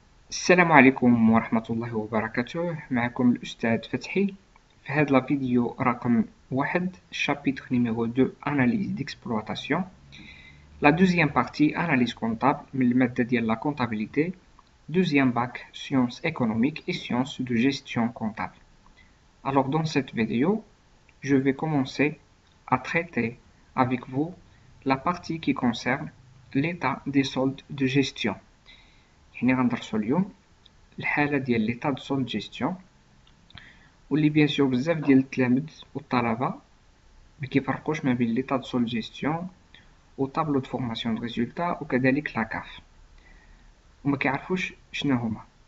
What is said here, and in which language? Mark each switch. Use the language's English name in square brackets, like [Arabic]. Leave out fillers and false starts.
[Arabic] السلام عليكم ورحمة الله وبركاته، معكم الأستاذ فتحي. في هذا الفيديو رقم 1 شابيتر نيميرو 2 أناليز ديكسبلواتاسيون، لا دوزيام بارتي أناليز كونتابل من المادة ديال لا كونتابيليتي، دوزيام باك سيونس ايكونوميك اي سيونس دو جيستيون كونتابل. [French] Alors dans cette vidéo, je vais commencer à traiter avec vous la partie qui concerne l'état des soldes de gestion. [Arabic] يعني غندرسو اليوم الحالة ديال لي طاد سون جيستيون، واللي بيان سور بزاف ديال التلامذ والطلبة ما كيفرقوش ما بين لي طاد سون جيستيون و طابلو دو فورماسيون دو ريزولتا وكذلك لا كاف، وما كيعرفوش شنو هما.